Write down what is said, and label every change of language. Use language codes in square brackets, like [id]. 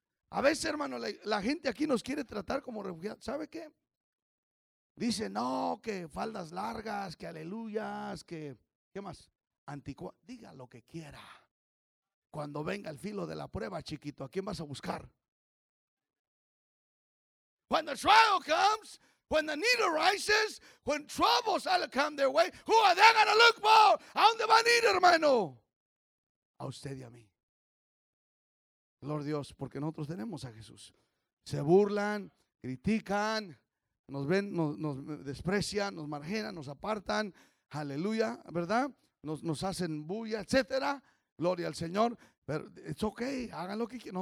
[es] A veces, hermano, la gente aquí nos quiere tratar como refugiados. ¿Sabe qué? Dice, no, que faldas largas, que aleluyas, que, ¿qué más? Anticua, diga lo que quiera. Cuando venga el filo de la prueba, chiquito, ¿a quién vas a buscar? [en] When the trial comes, when the need arises, when troubles all come their way, who are they going to look for? [es] ¿A dónde van a ir, hermano? A usted y a mí. Gloria a Dios, porque nosotros tenemos a Jesús. Se burlan, critican, nos ven, nos desprecian, nos marginan, nos apartan, aleluya, ¿verdad? Nos hacen bulla, etcétera. Gloria al Señor. Pero [en] it's okay, [es] hagan lo que quieran.